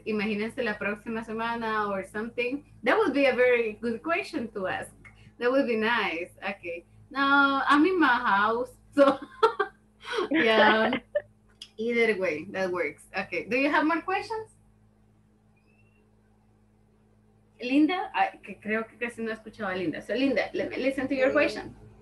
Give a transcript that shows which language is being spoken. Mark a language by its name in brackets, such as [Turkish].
[Spanish] Imagínense la próxima semana [English] or something. That would be a very good question to ask. That would be nice. Okay. Now, I'm in my house, so yeah, either way, that works. Okay. Do you have more questions? [Spanish] Linda, creo que casi no he escuchado a Linda. [English] So, Linda, let me listen to your question.